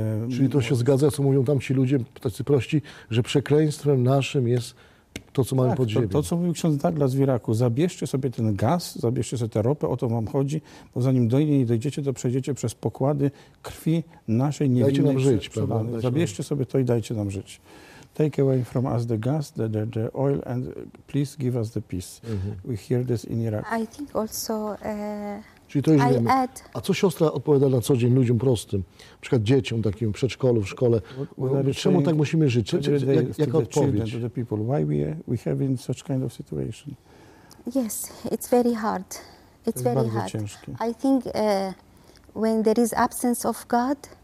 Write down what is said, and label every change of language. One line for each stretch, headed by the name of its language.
Polish: Czyli to się zgadza, co mówią tamci ludzie, tacy prości, że przekleństwem naszym jest to, co mamy pod ziemią. To, co mówił ksiądz Douglas w Iraku, zabierzcie sobie ten gaz, zabierzcie sobie tę ropę, o to wam chodzi, bo zanim do niej dojdziecie, to przejdziecie przez pokłady krwi naszej niewinnej. Dajcie nam żyć, prawda? Zabierzcie sobie to i dajcie nam żyć.
English: Take away from us the gas, the oil, and please give us the peace. Mm-hmm. We hear this in Iraq. I think also.
Polish: Czyli to już wiemy. A co siostra odpowiada na co dzień ludziom prostym, na przykład dzieciom takim w przedszkolu, w szkole? Czemu tak musimy żyć? Jaka odpowiedź?
English: To the people. Why we have in such kind of situation? Yes, it's very hard. It's very hard.
Polish: Bardzo ciężkie.
English: I think when there is absence of God.